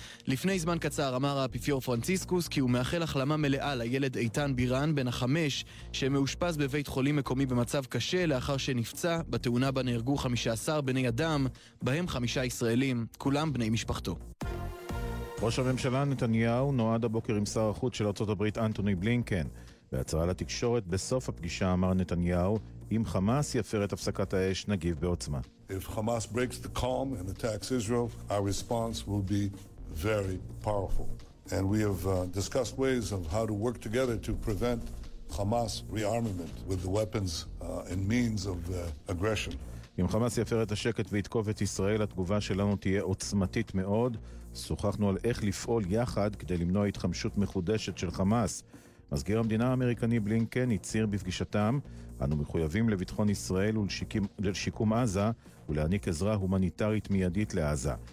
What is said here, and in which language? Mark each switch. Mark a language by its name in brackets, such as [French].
[Hebrew] לפני זמן קצר אמר האפיפיור פרנציסקוס כי הוא מאחל החלמה מלאה לילד איתן בירן בן החמש שמאושפז בבית חולים מקומי במצב קשה לאחר שנפצע בתאונה בה נהרגו 15 בני אדם, בהם 5 ישראלים, כולם בני משפחתו. ראש הממשלה נתניהו נועד הבוקר עם שר החוץ של ארצות הברית אנטוני בלינקן. בהצהרה לתקשורת בסוף הפגישה אמר נתניהו, אם חמאס יפר את הפסקת האש, נגיב בעוצמה. [English] If Hamas breaks the calm and attacks Israel, our response will be very powerful. And we have discussed ways of how to work together to prevent Hamas rearmament with the weapons and means of aggression. [Hebrew] אם חמאס יפר את השקט ויתקוף את ישראל, התגובה שלנו תהיה עוצמתית מאוד. שוחחנו על איך לפעול יחד כדי למנוע התחמשות מחודשת של חמאס. מזכיר המדינה האמריקני בלינקן הצהיר בפגישתם, אנו מחויבים לביטחון ישראל ולשיקום עזה ולהעניק עזרה הומניטרית מיידית לעזה.